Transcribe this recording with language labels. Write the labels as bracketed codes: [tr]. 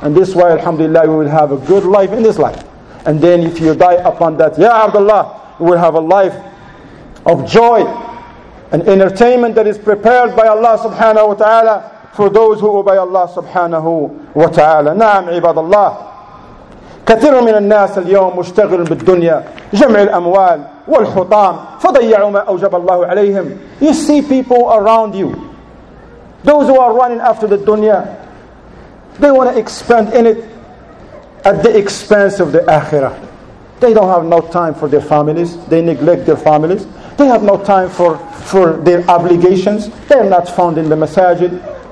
[en] And this way, alhamdulillah, we will have a good life in this life. And then if you die upon that, ya Abdullah, we will have a life of joy and entertainment that is prepared by Allah subhanahu wa ta'ala for those who obey Allah subhanahu wa ta'ala. [ar] Naam, ibadallah. كثير من الناس اليوم مشتغل بالدنيا جمع الأموال والحطام فضيعوا ما أوجب الله عليهم. [en] You see people around you, those who are running after the dunya, they want to expand in it at the expense of the akhirah. They don't have no time for their families. They neglect their families. They have no time for their obligations. They are not found in the masajid.